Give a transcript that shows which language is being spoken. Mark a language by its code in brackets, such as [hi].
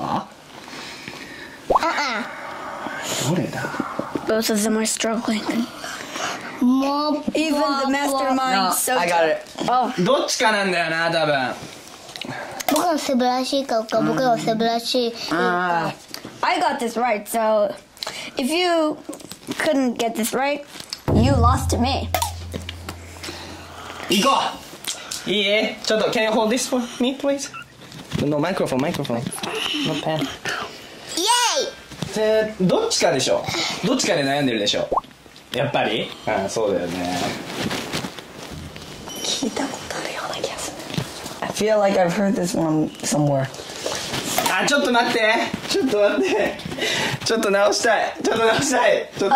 [ja] ああ。どれだ。 [en] Both of them are struggling. More. Even the mastermind. No, so I got it. Oh. [ja] どっちかなんだよな多分。僕は素晴らしいか、僕は素晴らしい。 [en] I got this right. So if you couldn't get this right, you lost to me. [ja] 行こう。いいえ、ちょっと、 [en] can you hold this for me, please? No, microphone, microphone. No pen. Yay! [ja] で、どっちかでしょ？どっちかで悩んでるでしょ？やっぱり？あ、そうだよね。聞いたことあるような気がする。 [en] I feel like I've heard this one somewhere. [ja] あ、ちょっと待って、ちょっと待って、ちょっと直したい、ちょっと直したい、ちょっと。